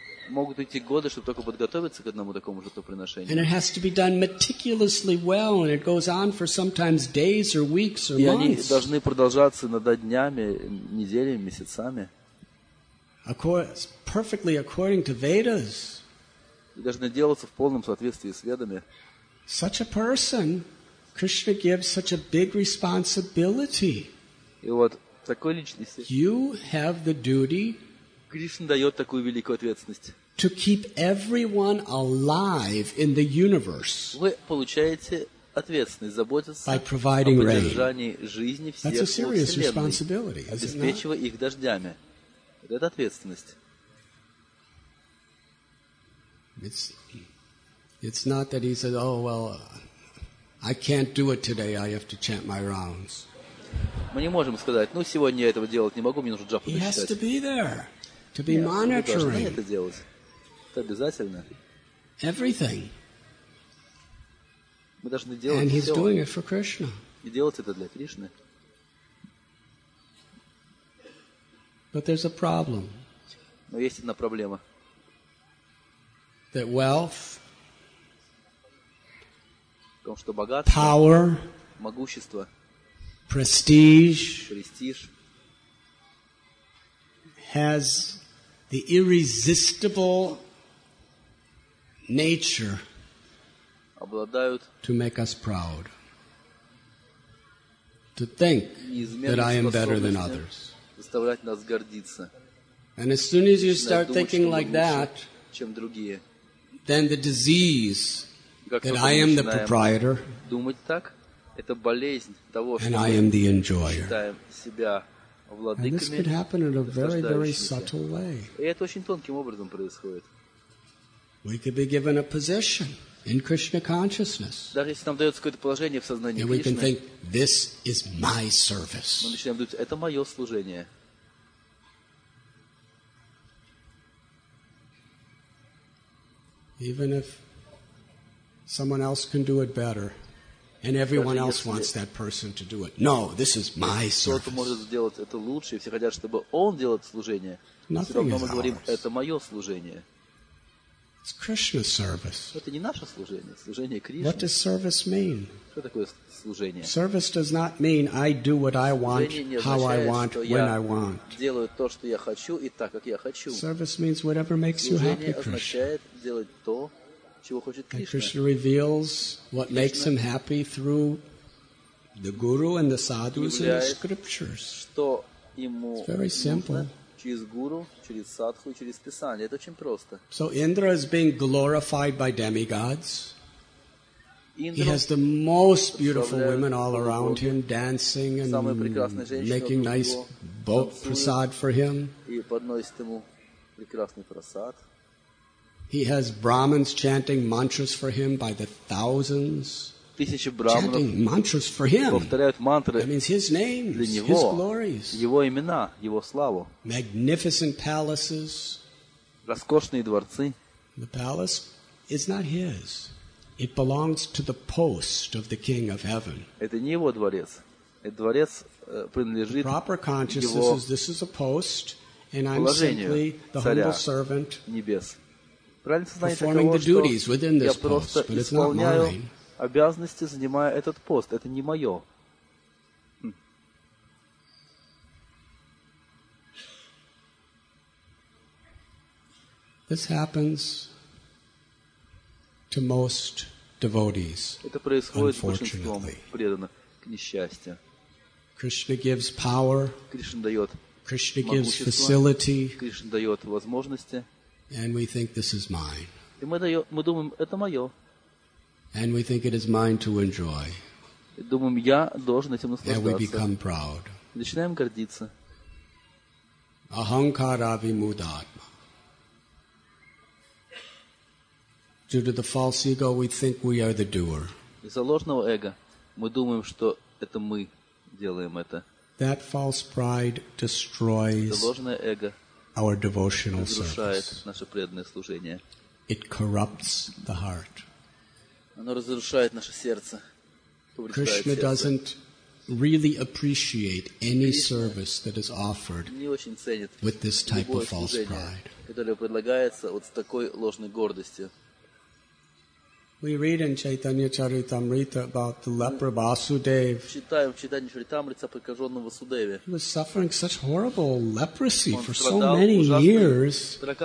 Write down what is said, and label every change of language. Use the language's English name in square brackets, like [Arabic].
[Russian] Могут идти годы, чтобы только подготовиться к одному такому жертвоприношению. [English] And it has to be done meticulously well, and it goes on for sometimes days or weeks or months. [Russian] И они должны продолжаться иногда днями, неделями, месяцами. [English] Perfectly according to Vedas. [Russian] И должны делаться в полном соответствии с Ведами. [English] Such a person, Krishna gives such a big responsibility. [Russian] И вот такой личности. [English] You have the duty. [Russian] Кришна дает такую великую ответственность. [English] To keep everyone alive in the universe. [Russian] Вы получаете ответственность заботиться [English] by providing [Russian] о поддержании жизни всех [English] That's a serious responsibility, isn't it? [Russian] Обеспечивая их дождями. Это ответственность. [English] It's not that he said, oh, well, I can't do it today, I have to chant my rounds. [Russian] Мы не можем сказать, ну, сегодня я этого делать не могу, мне нужно джапу начитать. [English] He has to be there. To be monitoring. [Russian] Это делать. Это обязательно. [English] Everything. [Russian] Мы должны делать [English] And he's doing it for Krishna. [Russian] И делать это для Кришны. [English] But there's a problem. [Russian] Но есть одна проблема. [English] That wealth. [Russian] В том, что богатство. [English] Power. [Russian] Могущество. [English] Prestige. [Russian] Престиж. [English] Has the irresistible nature [Russian] обладают [English] to make us proud to think that I am better than others [Russian] заставлять нас гордиться [English] and as soon as you start thinking like that [Russian] чем другие [English] then the disease that I am the proprietor [Russian] думать так Это болезнь того, что мы считаем себя владыками. [English] And this could happen in a very, very subtle way. [Russian] И это очень тонким образом происходит. [English] We could be given a position in Krishna consciousness. [Russian] Даже если нам дается какое-то положение в сознании Кришны. [English] And we can think, this is my service. [Russian] Мы начинаем думать, это мое служение. [English] Even if someone else can do it better, and everyone else wants that person to do it. No, this is my service. [Russian] Кто-то может сделать это лучше, и все хотят, чтобы он делал это служение. Но мы говорим, это мое служение. [English] It's Krishna's service. [Russian] Это не наше служение, служение Кришны. [English] What does service mean? [Russian] Что такое служение? [English] Service does not mean I do what I want, how I want, when I want. [Russian] Делаю то, что я хочу и так, как я хочу. [English] Service means whatever makes you happy, Krishna. [Russian] Служение означает делать то, чего хочет Кришна. [English] And Krishna reveals what makes him happy through the guru and the sadhus and the scriptures. [Russian] Что ему [English] It's very simple. [Russian] Через гуру, через садху и через писание. Это очень просто. [English] So Indra is being glorified by demigods. He has the most beautiful women all around him dancing and making nice prasad for him. [Russian] И подносит ему прекрасный прасад. [English] He has brahmins chanting mantras for him by the thousands. [Russian] Тысячи брахманов повторяют мантры для Него, Его имена, Его славу. [English] Magnificent palaces. [Russian] Роскошные дворцы. [English] The palace is not his. It belongs to the post of the King of Heaven. [Russian] Это не Его дворец. Этот дворец принадлежит Его положению, Царя Небес. Правильно сознание таково, что я просто исполняю обязанности, занимая этот пост. Это не мое. [English] This happens to most devotees, [Russian] это происходит большинством преданных, к несчастью. [English] Krishna gives power. [Russian] Кришна дает [English] Krishna gives facility. [Russian] Кришна дает возможности. [English] And we think this is mine. [Russian] И мы думаем, это мое. [English] And we think it is mine to enjoy. [Russian] Думаем, я должен этим наслаждаться. [English] And we become proud. [Russian] Начинаем гордиться. [Sanskrit] Ahankara vimudatma. [English] Due to the false ego, we think we are the doer. [Russian] Из-за ложного эго мы думаем, что это мы делаем это. [English] That false pride destroys. [Russian] Это ложное эго. [English] Our devotional service. [Russian] Разрушает наше преданное служение. [English] It corrupts the heart. [Russian] Оно разрушает наше сердце. [English] Krishna doesn't really appreciate any service that is offered with this type of false pride. [Russian] Которое предлагается вот с такой ложной гордостью. [English] We read in Chaitanya Charitamrita about the leper Vasudev. [Russian] Читаем в Чайтанья Чаритамрите о прокаженном Васудеве. [English] He was suffering such horrible leprosy for so many years.